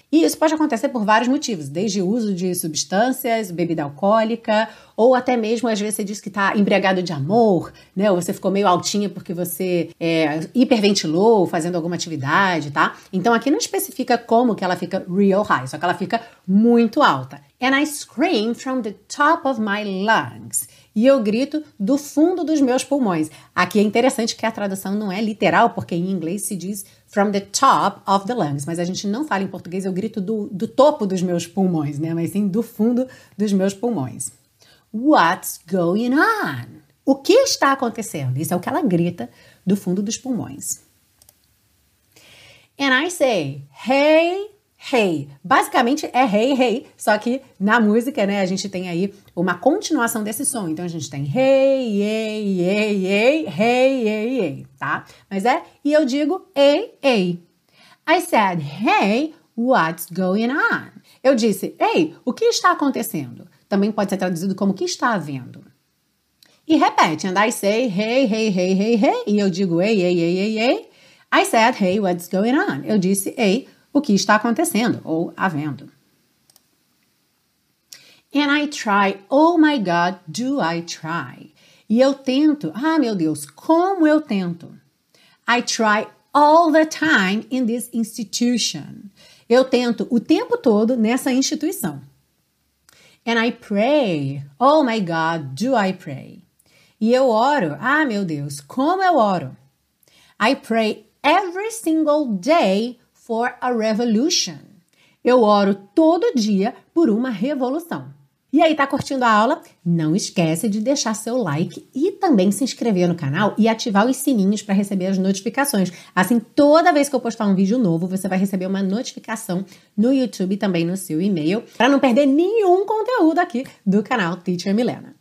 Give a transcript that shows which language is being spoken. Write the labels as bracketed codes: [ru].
[pt] E isso pode acontecer por vários motivos, desde uso de substâncias, bebida alcoólica, ou até mesmo, às vezes, você diz que tá embriagado de amor, né? Ou você ficou meio altinha porque você hiperventilou fazendo alguma atividade, tá? Então, aqui não especifica como que ela fica real high, só que ela fica muito alta. [en] and I scream from the top of my lungs. [pt] E eu grito do fundo dos meus pulmões. Aqui é interessante que a tradução não é literal, porque em inglês se diz [en] from the top of the lungs. [pt] Mas a gente não fala em português, eu grito do topo dos meus pulmões, né? Mas sim do fundo dos meus pulmões. [en] What's going on? [pt] O que está acontecendo? Isso é o que ela grita do fundo dos pulmões. [en] And I say, hey, hey. [pt] Basicamente é hey, hey, só que na música, né, a gente tem aí uma continuação desse som. Então a gente tem hey, hey, hey, hey, hey, hey, hey, tá? Mas é, e eu digo hey, hey. [en] I said, hey, what's going on? [pt] Eu disse, hey, o que está acontecendo? Também pode ser traduzido como o que está havendo. E repete, [en] and I say, hey, hey, hey, hey, hey, [pt] e eu digo hey, hey, hey, hey, hey. [en] I said, hey, what's going on? [pt] Eu disse, hey, o que está acontecendo ou havendo? [en] And I try, oh my God, do I try? [pt] E eu tento, ah, meu Deus, como eu tento? [en] I try all the time in this institution. [pt] Eu tento o tempo todo nessa instituição. [en] And I pray, oh my God, do I pray? [pt] E eu oro, ah, meu Deus, como eu oro? [en] I pray every single day for a revolution. [pt] Eu oro todo dia por uma revolução. E aí, tá curtindo a aula? Não esquece de deixar seu like e também se inscrever no canal e ativar os sininhos para receber as notificações. Assim, toda vez que eu postar um vídeo novo, você vai receber uma notificação no YouTube e também no seu e-mail para não perder nenhum conteúdo aqui do canal Teacher Milena.